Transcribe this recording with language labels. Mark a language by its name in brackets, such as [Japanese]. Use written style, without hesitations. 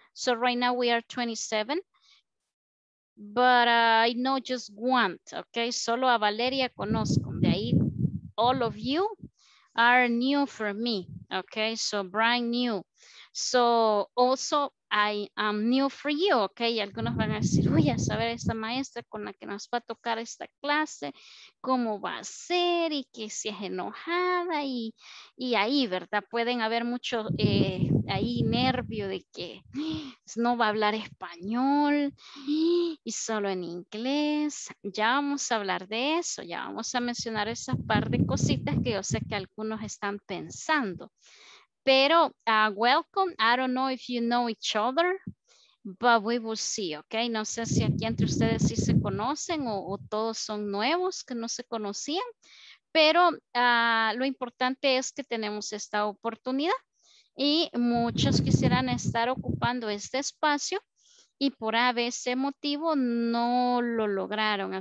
[English] So right now we are 27. But I know just one. [Spanish] Okay, solo a Valeria conozco. De ahí. [English] All of you are new for me, okay? So brand new. So also I am new for you, okay? [Spanish] Y algunos van a decir, voy a saber esta maestra con la que nos va a tocar esta clase, cómo va a ser y que si es enojada y ahí, ¿verdad? Pueden haber mucho ahí nervio de que no va a hablar español y solo en inglés. Ya vamos a hablar de eso, ya vamos a mencionar esas par de cositas que yo sé que algunos están pensando. [English] Pero welcome. I don't know if you know each other, but we will see, okay? [Spanish] No sé si aquí entre ustedes sí se conocen o todos son nuevos que no se conocían, pero lo importante es que tenemos esta oportunidad y muchos quisieran estar ocupando este espacio y por A, B, C motivo no lo lograron.